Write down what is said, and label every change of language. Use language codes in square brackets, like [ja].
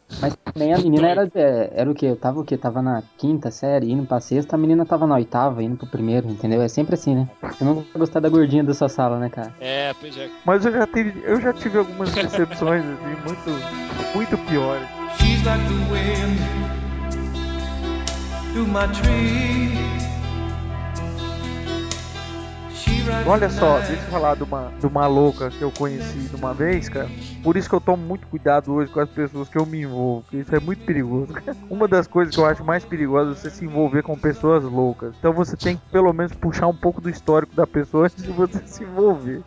[pt] Mas também a menina era o quê? Eu tava o quê? Tava na quinta série, indo pra sexta, a menina tava na oitava, indo pro primeiro, entendeu? É sempre assim, né? Você não vai gostar da gordinha da sua sala, né, cara? É, pois é. Mas eu já tive algumas decepções, assim, muito, muito piores. [en] She's like the wind through my tree. [pt] Olha só, deixa eu falar de uma louca que eu conheci de uma vez, cara. Por isso que eu tomo muito cuidado hoje com as pessoas que eu me envolvo, porque isso é muito perigoso. Uma das coisas que eu acho mais perigosa é você se envolver com pessoas loucas. Então você tem que pelo menos puxar um pouco do histórico da pessoa antes de você se envolver.